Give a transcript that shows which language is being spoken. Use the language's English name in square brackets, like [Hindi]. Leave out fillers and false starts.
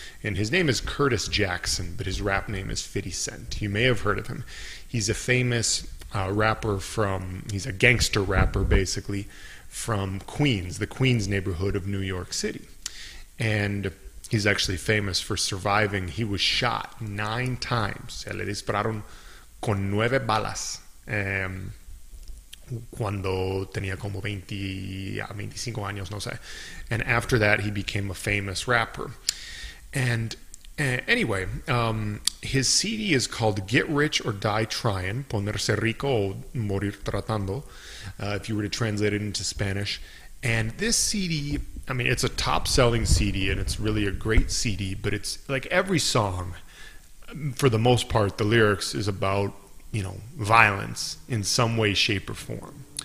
[English] And his name is Curtis Jackson, but his rap name is 50 Cent. You may have heard of him. He's a famous rapper he's a gangster rapper, basically, from Queens, the Queens neighborhood of New York City. And he's actually famous for surviving. He was shot 9 times. [Spanish] Se le dispararon con 9 balas. Cuando tenía como 25 años, no sé. [English] And after that, he became a famous rapper. And anyway, his CD is called Get Rich or Die Trying, [Spanish] Ponerse Rico o Morir Tratando, [English] if you were to translate it into Spanish. And this CD, I mean, it's a top-selling CD, and it's really a great CD, but it's like every song, for the most part, the lyrics is about, you know, violence in some way, shape, or form.